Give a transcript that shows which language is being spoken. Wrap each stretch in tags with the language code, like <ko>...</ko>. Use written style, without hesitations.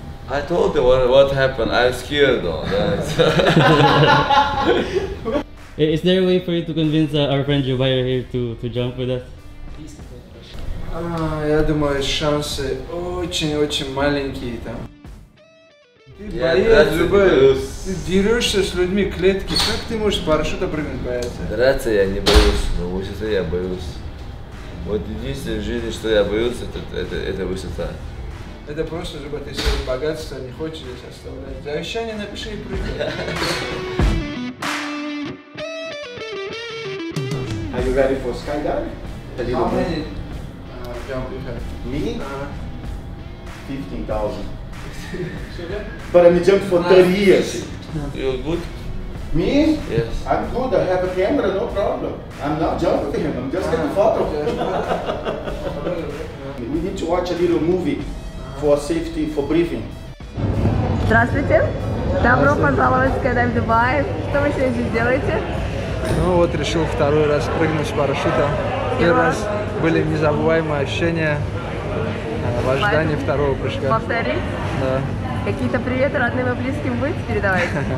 <en>I told you what happened. I'm scared though. Is there a way for you to convince our friend Zubaira here to jump with us?</en> <ru>Я думаю, шансы очень-очень маленькие там. Боец, Зубаир, ты дерешься с людьми клетки. Как ты можешь парашюта прыгнуть бояться? Драться я не боюсь, но высоты я боюсь. Вот единственное в жизни, что я боюсь, это высота. Это просто, чтобы ты свои богатства не хочешь здесь оставлять. Завещание напиши и прыгай.</ru> <en>Are you ready for skydiving? How many jump you have? Me? 15,000. But I'm jumped for 30 years. You're good? Me? Yes. I'm good, I have a camera, no problem. I'm not jumping him, I'm just getting a photo. We need to watch a little movie. For safety, for briefing.</en> <ru>Здравствуйте! Добро пожаловать в Skydive Dubai. Что вы сегодня здесь делаете? Ну вот, решил второй раз прыгнуть с парашютом. Первый раз были незабываемые ощущения в ожидании второго прыжка. Повторить? Да. Какие-то приветы родным и близким будете передавать?</ru>